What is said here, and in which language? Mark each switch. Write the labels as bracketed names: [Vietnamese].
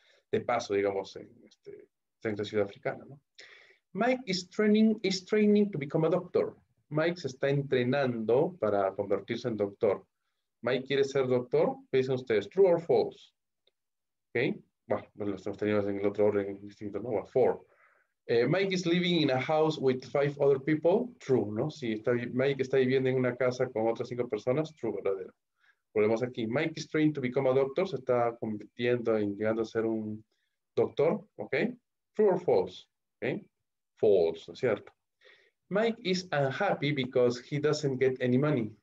[Spanish] De paso, digamos, en esta ciudad africana, ¿no? [English] Mike is training to become a doctor. [Spanish] Mike se está entrenando para convertirse en doctor. ¿Mike quiere ser doctor? ¿Qué dicen ustedes? [English] ¿True or false? [Spanish] ¿Okay? Bueno, lo estamos teniendo en el otro orden distinto, ¿no? [English] Bueno, four. Mike is living in a house with five other people. True, ¿no? [Spanish] Si Mike está viviendo en una casa con otras 5 personas, true, verdadero. Volvemos aquí. [English] Mike is trained to become a doctor. [Spanish] Se está convirtiendo en llegando a ser un doctor. [English] ¿Ok? True or false? ¿Ok? False, [Spanish] ¿no es cierto? [English] Mike is unhappy because he doesn't get any money.